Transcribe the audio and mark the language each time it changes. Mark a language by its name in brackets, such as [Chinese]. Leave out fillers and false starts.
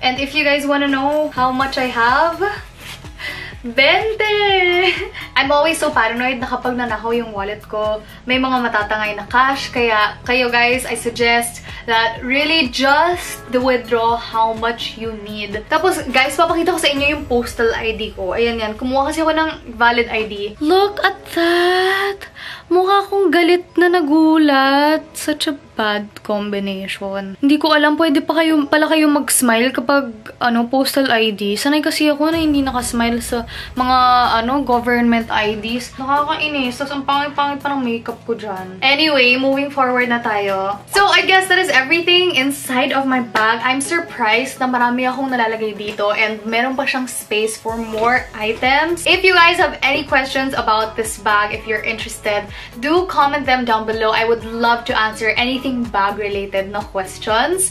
[English] And if you guys wanna know how much I have, 20! I'm always so paranoid [Filipino] na kapag nanakaw yung wallet ko, may mga matatangay na cash. Kaya, kayo guys, [English] I suggest that really just the withdraw how much you need. [Filipino] Tapos, guys, papakita ko sa inyo yung postal ID ko. Ayan yan. Kumuha kasi ako ng valid ID. [English] Look at that! [Filipino] Mukha akong galit na nagulat. [English] Such a bad combination. [Filipino] Hindi ko alam, pwede pa kayo, pala kayong mag-smile kapag, ano, postal ID. Sanay kasi ako na hindi naka-smile sa mga, ano, government IDs. Nakakainis. Tapos, ang pangit-pangit parang makeup ko dyan. [English] Anyway, moving forward na tayo. So, I guess that is everything inside of my bag. I'm surprised [Filipino] na marami akong nalalagay dito [English] and [Filipino] meron pa siyang [English] space for more items. If you guys have any questions about this bag, if you're interested, do comment them down below. I would love to answer anything bag related na questions.